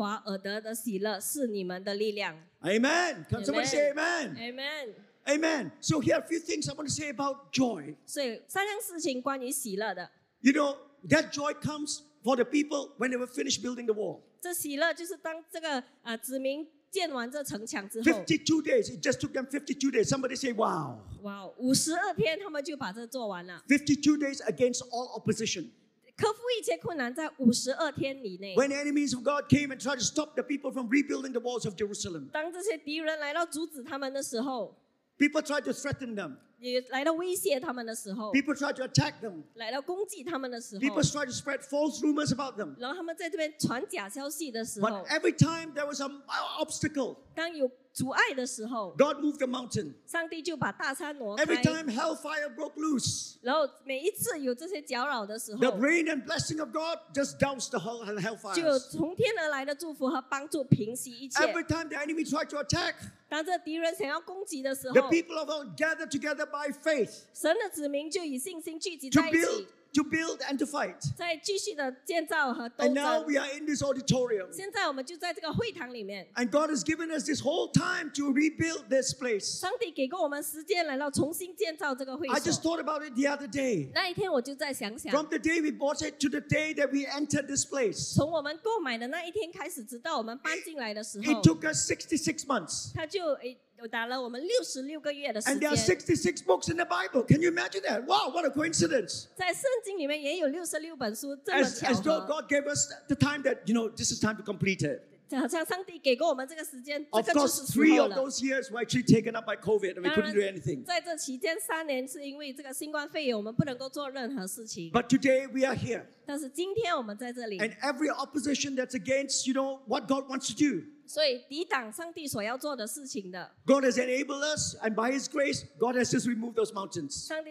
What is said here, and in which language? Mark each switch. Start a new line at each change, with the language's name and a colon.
Chinese: 神长尼希米对众民说：“今日是耶和华你们神的圣日，不要悲哀哭泣。你们去吃肥美的和甘甜的，有不能预备的，就分给他，不要忧愁。因靠耶和华而得的喜乐是你们的力量。”Amen.
English: Can somebody say amen? Amen. Amen. So here are a few things I want to say about joy.
Chinese: 所以三样事情关于喜乐的。
English: You know, that joy comes for the people when they were finished building the wall.
Chinese: 这喜乐就是当这个子民建完这城墙之后
English: 52 days, it just took them 52 days. Somebody say, wow.
Chinese: Wow, 52天他们就把这做完了。
English: 52 days against all opposition.
Chinese: 克服一切困难在52天以内。
English: When enemies of God came and tried to stop the people from rebuilding the walls of Jerusalem.
Chinese: 当这些敌人来到阻止他们的时候,
English: people tried to threaten them.
Chinese: 来到威胁他们的时候,
English: people tried to attack them.
Chinese: 来到攻击他们的时候,
English: people tried to spread false rumors about them.
Chinese: 然后他们在这边传假消息的时候,
English: but every time there was an obstacle,
Chinese: 当有阻碍的时候,
English: God moved the mountain.
Chinese: 上帝就把大山挪开,
English: every time hellfire broke loose,
Chinese: 然后每一次有这些搅扰的时候,
English: the rain and blessing of God just doused the hellfire.
Chinese: 就从天而来的祝福和帮助平息一切,
English: every time the enemy tried to attack,
Chinese: 当这敌人想要攻击的时候,
English: the people of God gathered together by faith,
Chinese: 神的子民就以信心聚集在一起,
English: to build and to fight.
Chinese: 再继续的建造和斗争,
English: and now we are in this auditorium.
Chinese: 现在我们就在这个会堂里面,
English: and God has given us this whole time to rebuild this place.
Chinese: 上帝给过我们时间来到重新建造这个会所。
English: I just thought about it the other day.
Chinese: 那一天我就在想想,
English: from the day we bought it to the day that we entered this place,
Chinese: 从我们购买的那一天开始直到我们搬进来的时候,
English: it took us 66 months.
Chinese: 它就,
English: and there are 66 books in the Bible. Can you imagine that? Wow, what a coincidence.
Chinese: 在圣经里面也有66本书,
English: as though God gave us the time that, you know, this is time to complete it.
Chinese: 好像上帝给过我们这个时间,
English: of course, three of those years were actually taken up by COVID and we couldn't do anything.
Chinese: 在这期间三年是因为这个新冠肺炎我们不能够做任何事情。
English: But today we are here.
Chinese: 但是今天我们在这里。
English: And every opposition that's against, you know, what God wants to do,
Chinese: 所以抵挡上帝所要做的事情的,
English: God has enabled us, and by His grace, God has just removed those mountains.